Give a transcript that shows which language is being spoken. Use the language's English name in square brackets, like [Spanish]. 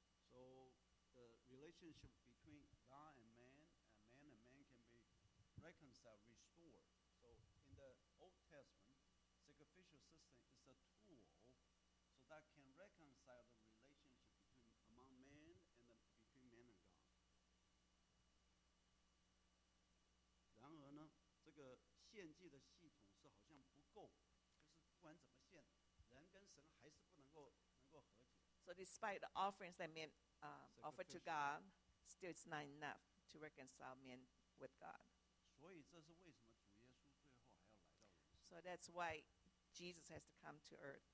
[English] So the relationship between God and man, and man and man can be reconciled, restored. So in the Old Testament, sacrificial system is a tool so that can reconcile the relationship between among man and the, between man and God. [Chinese] 然而呢，这个献祭的系统是好像不够，就是不管怎么献，人跟神还是不能够合解。 [English] So despite the offerings that men offered to God, still it's not enough to reconcile men with God. [Chinese] 所以这是为什么主耶稣最后还要来到人世。 [English] So that's why Jesus has to come to earth.